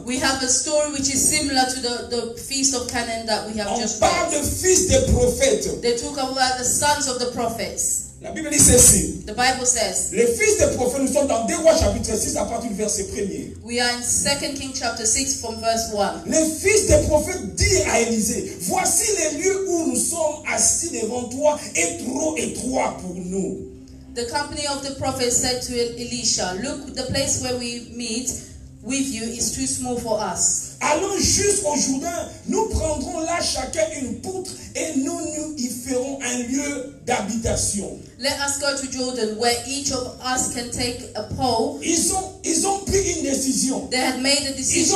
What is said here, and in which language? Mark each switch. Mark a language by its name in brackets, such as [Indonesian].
[English] We have a story which is similar to the feast of Canaan that we have [French] on [English] just read. [French] On parle de fils des prophètes. [English] They talk about the sons of the prophets. [French] La Bible dit ceci. [English] The Bible says. [French] Les fils des prophètes nous sommes dans 2 Rois chapitre 6 à partir du verset 1er. [English] We are in 2 Kings chapter 6 from verse 1. [French] Les fils des prophètes dit à Élisée, voici les lieux où nous sommes assis devant toi est trop étroit pour nous. [English] The company of the prophet said to Elisha, look the place where we meet with you is too small for us. [French] Allons jusqu'au Jourdain, nous prendrons là chacun une poutre et nous nous y ferons un lieu d'habitation. [English] Let us go to Jordan where each of us can take a pole. [French] Ils ont pris une décision. [English] They had made a decision.